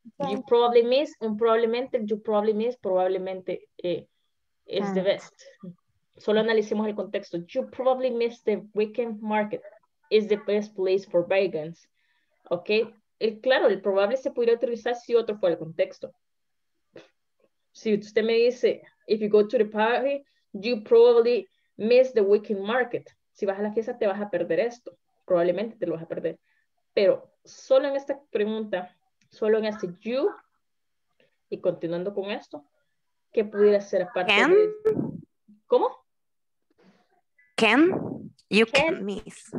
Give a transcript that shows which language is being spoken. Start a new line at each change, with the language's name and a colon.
English: You probably miss, un probablemente, you probably miss, probablemente is the best.
Spanish: Solo analicemos el contexto.
English: You probably missed the weekend market. It's the best place for bargains. ¿Ok?
Spanish: El, claro, el probable se podría utilizar si otro fuera el contexto. Si usted me dice,
English: if you go to the party, you probably miss the weekend market.
Spanish: Si vas a la fiesta, te vas a perder esto. Probablemente te lo vas a perder. Pero solo en esta pregunta, solo en este you, y continuando con esto, ¿qué pudiera ser aparte de esto? ¿Cómo?
English: Can, you can't miss.